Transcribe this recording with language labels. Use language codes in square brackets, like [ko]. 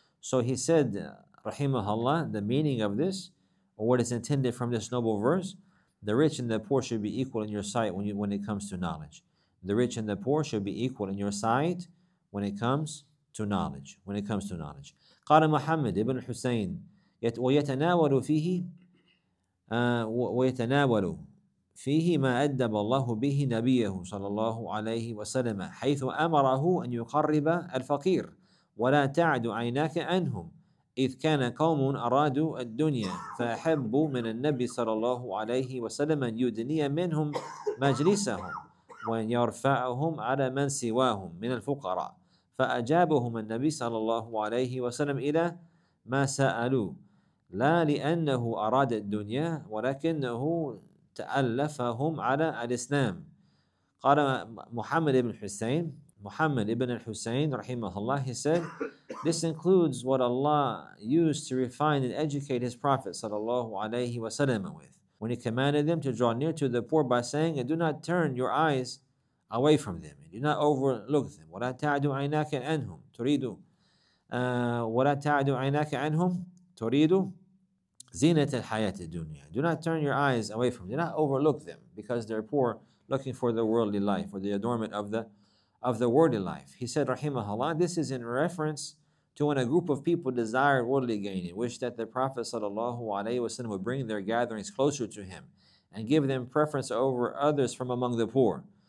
[en] So he said, rahimahullah, the meaning of this, or what is intended from this noble verse, the rich and the poor should be equal in your sight when it comes to knowledge. The rich and the poor should be equal in your sight when it comes to knowledge. When it comes to knowledge. [ar] قال محمد ابن حسين ويتناول فيه ويتناول فيه ما أدب الله به نبيه صلى الله عليه وسلم حيث أمره أن يقرب الفقير ولا تعد عيناك عنهم إذ كان قوم أرادوا الدنيا فأحبوا من النبي صلى الله عليه وسلم أن يدني منهم مجلسهم وأن يرفعهم على من سواهم من الفقراء فأجابهم النبي صلى الله عليه وسلم إلى ما سألوا لا لأنه أراد الدنيا ولكنه تألفهم على الإسلام. قال محمد بن حسين, محمد بن الحسين رحمه الله, [en] he said, this includes what Allah used to refine and educate His Prophet صلى الله عليه وسلم with, when He commanded them to draw near to the poor by saying, and do not turn your eyes away from them, and do not overlook them. [ar] ولا تعد عيناك عنهم تريد ولا تعد عيناك عنهم تريد زينة الحياة الدنيا. [en] Do not turn your eyes away from them. Do not overlook them because they're poor, looking for the worldly life or the adornment of the worldly life. He said, rahimahullah, this is in reference to when a group of people desired worldly gain and wished that the Prophet sallallahu alaihi wasallam would bring their gatherings closer to him and give them preference over others from among the poor.